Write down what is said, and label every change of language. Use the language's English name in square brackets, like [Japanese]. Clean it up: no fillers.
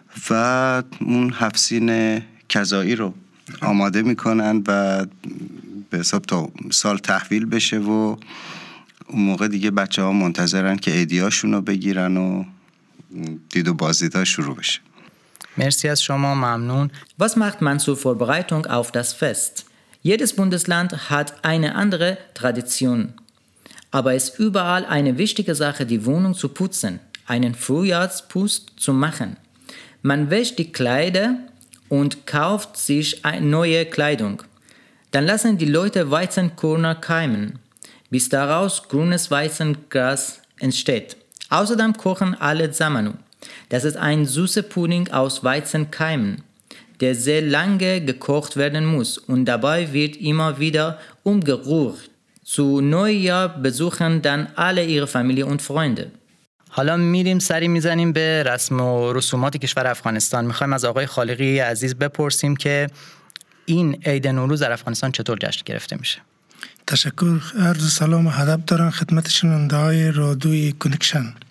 [Persian] و اون هفسین کذایی رو آماده میکنن و به حساب تا سال تحویل بشه و اون موقع دیگه بچه ها منتظرن که عیدیاشون رو بگیرن و دید و بازدید ها شروع بشه. مرسی از شما، ممنون. [German] Was macht man zur Vorbereitung auf das Fest? Jedes Bundesland hat eine andere Tradition. Aber es ist überall eine wichtige Sache, die Wohnung zu putzen, einen Frühjahrspust zu machen. Man wäscht die Kleider und kauft sich eine neue Kleidung. Dann lassen die Leute Weizenkörner keimen, bis daraus grünes Weizengras entsteht. Außerdem kochen alle Samanu. Das ist ein süßer Pudding aus Weizenkeimen, der sehr lange gekocht werden muss und dabei wird immer wieder umgerührt. Zu Neujahr besuchen dann alle ihre Familie und Freunde. [Persian] حالا میریم سری میزنیم به رسم و رسومات کشور افغانستان. میخوایم از آقای خالقی عزیز بپرسیم که این عید نوروز در افغانستان چطور جشن گرفته میشه؟ تشکر، عرض سلام و ادب دارم خدمت شنونده های رادیوی کنکشن.